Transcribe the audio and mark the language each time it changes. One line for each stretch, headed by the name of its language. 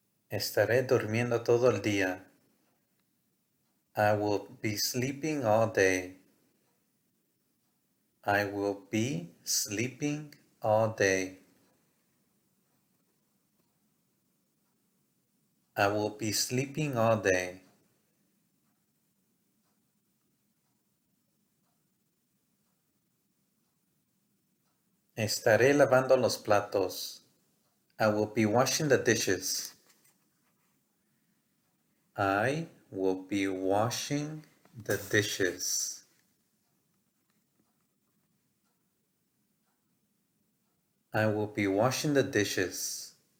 Spanish: Estaré durmiendo todo el día.
English: I will be sleeping all day. I will be sleeping all day. I will be sleeping all day.
Spanish: Estaré lavando los platos.
English: I will be washing the dishes. I will be washing the dishes. I will be washing the dishes.